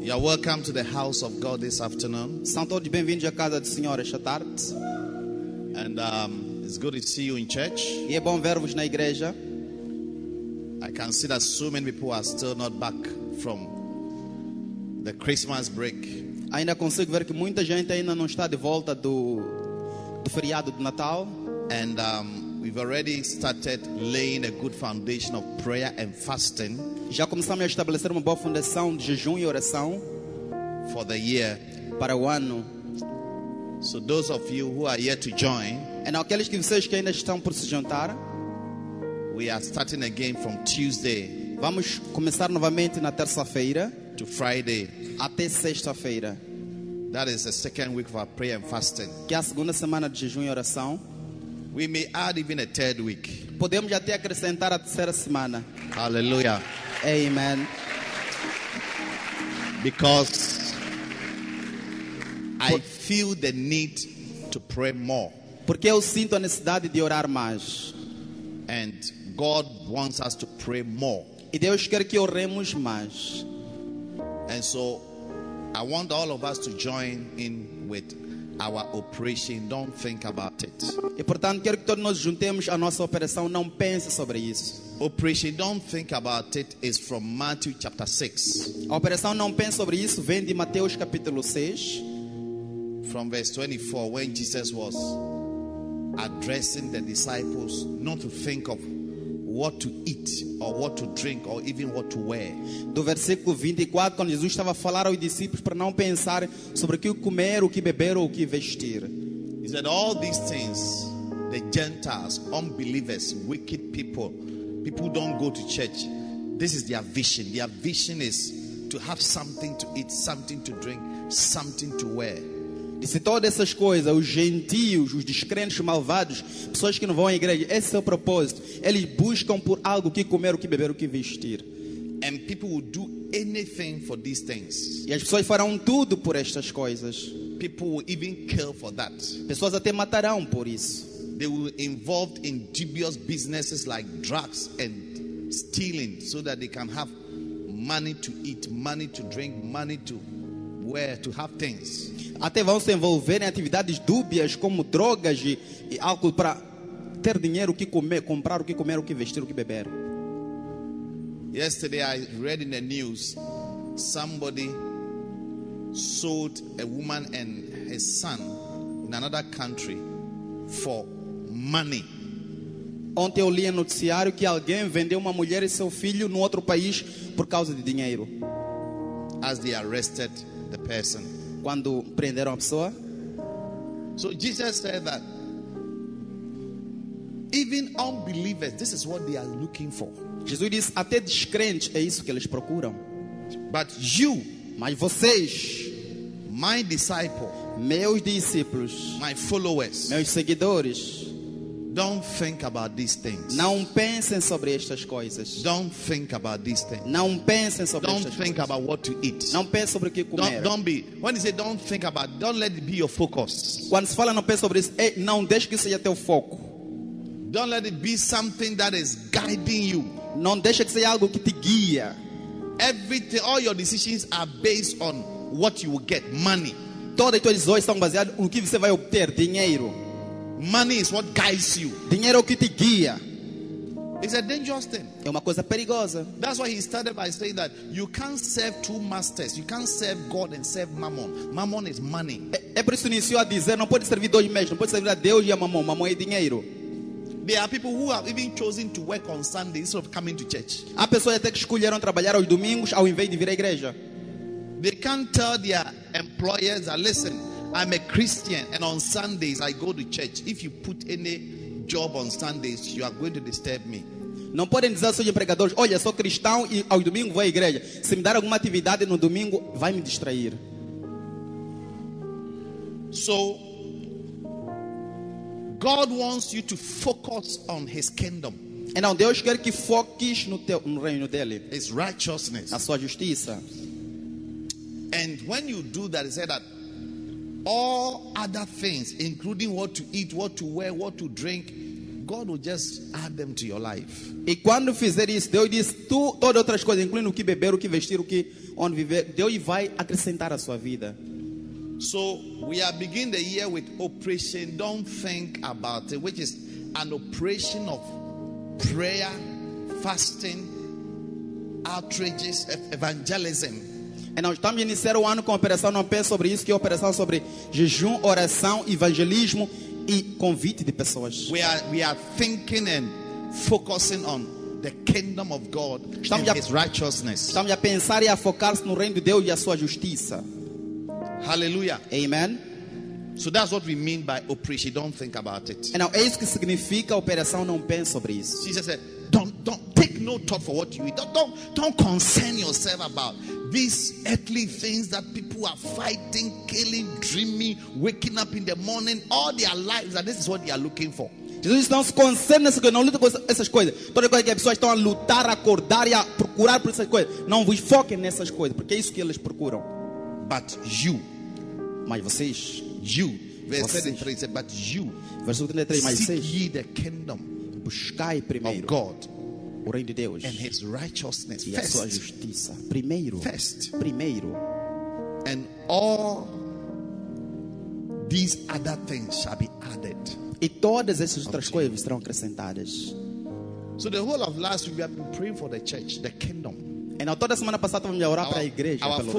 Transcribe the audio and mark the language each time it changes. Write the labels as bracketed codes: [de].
[en] You are welcome to the house of God this afternoon. [pt] São todos bem-vindos à casa do Senhor esta tarde. [en] And it's good to see you in church. [pt] E é bom ver-vos na igreja. [en] I can see that so many people are still not back from the Christmas break. [pt] Ainda consigo ver que muita gente ainda não está de volta do feriado de Natal. [en] And we've already started laying a good foundation of prayer and fasting. [pt] Já começamos a estabelecer uma boa fundação de jejum e oração [en] for the year. [pt] Para o ano. [en] So those of you who are yet to join, [pt] and aqueles que vocês que ainda estão por se juntar, [en] we are starting again from Tuesday. [pt] Vamos começar novamente na terça-feira. [en] To Friday. [pt] Até sexta-feira. [en] That is the second week of our prayer and fasting. [pt] Que é a segunda semana de jejum e oração. [en] We may add even a third week. [pt] Podemos até acrescentar a terceira semana. [en] Hallelujah. Amen. Because I feel the need to pray more. [pt] Porque eu sinto a necessidade de orar mais. [en] And God wants us to pray more. [pt] E Deus quer que oremos mais. [en] And so I want all of us to join in with our operation. Don't think about it. [pt] E portanto, quero que todos nós juntemos a nossa operação. Não pense sobre isso. [en] Operation, don't think about it, is from Matthew chapter 6. [pt] A operação não pense sobre isso vem de Mateus capítulo 6. [en] From verse 24, when Jesus was addressing the disciples not to think of what to eat or what to drink or even what to wear. [pt] Do versículo 24, quando Jesus estava a falar aos discípulos para não pensar sobre o que comer, o que beber ou o que vestir. [en] He said all these things the Gentiles, unbelievers, wicked people, people who don't go to church. This is their vision. Their vision is to have something to eat, something to drink, something to wear. [pt] Disse todas essas coisas, os gentios, os descrentes, os malvados, pessoas que não vão à igreja, esse é o propósito. Eles buscam por algo que comer, o que beber, o que vestir. [en] And people will do anything for these things. [pt] E as pessoas farão tudo por estas coisas. [en] People will even kill for that. [pt] Pessoas até matarão por isso. [en] They will be involved in dubious businesses like drugs and stealing so that they can have money to eat, money to drink, money to wear, to have things. [pt] Até vão se envolver em atividades dúbias como drogas e álcool para ter dinheiro, o que comer, comprar, o que comer, o que vestir, o que beber. [en] Yesterday I read in the news somebody sold a woman and his son in another country for money. [pt] Ontem eu li no noticiário que alguém vendeu uma mulher e seu filho no outro país por causa de dinheiro. [en] As they arrested the person. [pt] Quando prenderam a pessoa. [en] So Jesus said that even unbelievers, this is what they are looking for. [pt] Jesus disse até descrentes é isso que eles procuram. [en] But you, [pt] mas vocês, [en] my disciple, [pt] meus discípulos, [en] my followers, [pt] meus seguidores, [en] don't think about these things. [pt] Não pensem sobre estas coisas. [en] Don't think about these things. [pt] Não pensem sobre [en] don't [pt] estas [en] think [pt] coisas. [en] About what to eat. [pt] Não pense sobre o que comer. [en] Don't be. When you say don't think about, don't let it be your focus. [pt] Quando se fala não pense sobre isso, não deixe que seja teu foco. [en] Don't let it be something that is guiding you. [pt] Não deixe que seja algo que te guia. [en] Everything, all your decisions are based on what you will get, money. [pt] Todas as tuas decisões estão baseadas no que você vai obter, dinheiro. [en] Money is what guides you. [pt] Dinheiro que te guia. [en] It's a dangerous thing. [pt] É uma coisa perigosa. [en] That's why he started by saying that you can't serve two masters. You can't serve God and serve Mammon. Mammon is money. [pt] É por isso que iniciou a dizer não pode servir dois mestres, não pode servir a Deus e a Mammon. Mammon é dinheiro. [en] There are people who have even chosen to work on Sunday instead of coming to church. [pt] Há pessoas até que escolheram trabalhar aos domingos ao invés de vir à igreja. [en] They can't tell their employers that listen, I'm a Christian and on Sundays I go to church. If you put any job on Sundays, you are going to disturb me. [pt] Não podem dizer aos seus empregadores, olha, sou cristão e ao domingo vou à igreja. Se me der alguma atividade no domingo, vai me distrair. [en] So God wants you to focus on his kingdom. [pt] Então Deus quer que foques no teu no reino dele. [en] His righteousness. [pt] Na sua justiça. [en] And when you do that, he said that all other things, including what to eat, what to wear, what to drink, God will just add them to your life. [pt] E quando fizer isso, Deus diz todas outras coisas, incluindo o que beber, o que vestir, o que onde viver, Deus vai acrescentar à sua vida. [en] So we are beginning the year with operation. Don't think about it, which is an operation of prayer, fasting, outreaches, evangelism. [pt] E nós estamos iniciando o ano com a operação, não pense sobre isso, que é a operação sobre jejum, oração, evangelismo e convite de pessoas. [en] We are thinking and focusing on the kingdom of God and his righteousness. [pt] Estamos a pensar e a focar no reino de Deus e a sua justiça. [en] Hallelujah. Amen. So that's what we mean by operation. Don't think about it. [pt] E não, é isso que significa operação, não pense sobre isso. [en] Jesus said, don't take no thought for what you eat. Don't concern yourself about these earthly things that people are fighting, killing, dreaming, waking up in the morning, all their lives, and this is what they are looking for. [pt] Jesus não se concerne nessas coisas, não luta com essas coisas. Toda coisa que as pessoas estão a lutar, a acordar e a procurar por essas coisas, não vos foquem nessas coisas, porque é isso que eles procuram. [en] But you, [pt] mas vocês, [en] you, verse 33, but you, verse 33, seek ye the kingdom, [pt] buscai primeiro [en] of God, [pt] o reino de Deus, [en] and his righteousness, [pt] e a sua justiça, primeiro, [en] first, [pt] primeiro, [en] and all these other things shall be added. [pt] E todas essas outras coisas serão acrescentadas. [en] So the whole of last week we have been praying for the church, the kingdom. [pt] E na toda semana passada vamos orar para a igreja pelo reino.